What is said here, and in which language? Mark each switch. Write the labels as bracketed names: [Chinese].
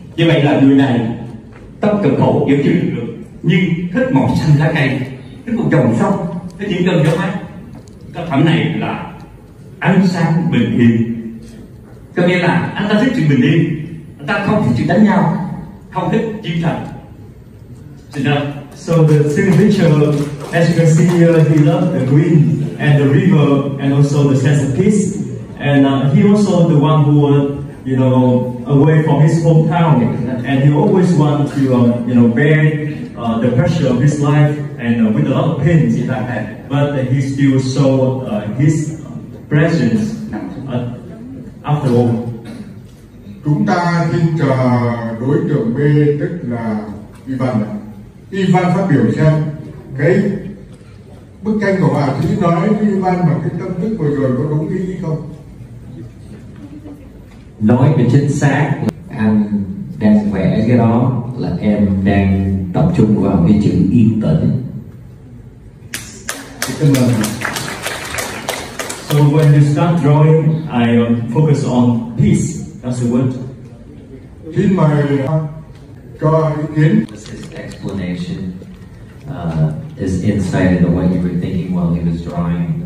[Vietnamese] Như vậy là người này tâm cực khổ vẫn chịu được nhưng thích màu xanh lá cây, thích một dòng sông, thích những cơn gió mát. Tác phẩm này là ánh sáng bình yên, có nghĩa là anh ta thích sự bình yên, anh ta không thích sự đánh nhau, không thích chiến tranh. Xin lỗi. [English] So the second picture, as you can see here, he loves the green and the river and also the sense of peace. And he also the one who, you know, away from his hometown, and he always wanted to bear the pressure of his life and with a lot of pain. But he still saw his presence after all. [Vietnamese] Chúng ta xin chờ đối tượng B tức là Ivan. Ivan phát biểu xem cái bức tranh của bà chỉ nói với Ivan mà cái tâm thức vừa rồi có đúng ý không? Nói về chính xác, anh đang vẽ cái đó là em đang tập trung vào cái chữ yên tĩnh. Cảm ơn. [English] So when you start drawing, I focus on peace. That's the word. [Vietnamese] Xin mời cho ý kiến. [English] His explanation is insight into what you were thinking while he was drawing.